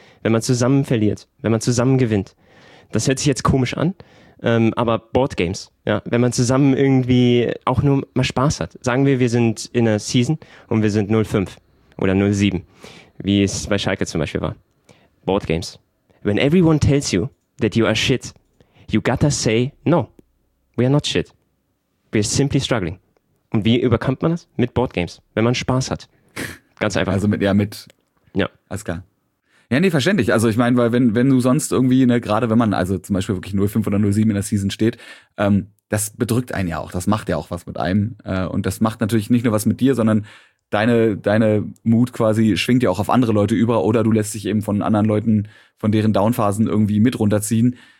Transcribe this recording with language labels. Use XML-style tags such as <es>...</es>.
<de>Wenn man zusammen verliert, wenn man zusammen gewinnt. Das hört sich jetzt komisch an, aber Boardgames, ja, wenn man zusammen irgendwie auch nur mal Spaß hat. Sagen wir sind in einer Season und wir sind 0-5 oder 0-7, wie es bei Schalke zum Beispiel war. Boardgames.</de> <en>When everyone tells you that you are shit, you gotta say, no, we are not shit. We are simply struggling.</en> <de>Und wie überkommt man das? Mit Boardgames, wenn man Spaß hat. Ganz einfach. Also mit, alles klar. Ja, nee, verständlich. Also ich meine, weil wenn du sonst irgendwie, ne, gerade wenn man also zum Beispiel wirklich 0-5 oder 0-7 in der Season steht, das bedrückt einen ja auch, das macht ja auch was mit einem. Und das macht natürlich nicht nur was mit dir, sondern deine Mut quasi schwingt ja auch auf andere Leute über oder du lässt dich eben von anderen Leuten, von deren Downphasen irgendwie mit runterziehen.</de>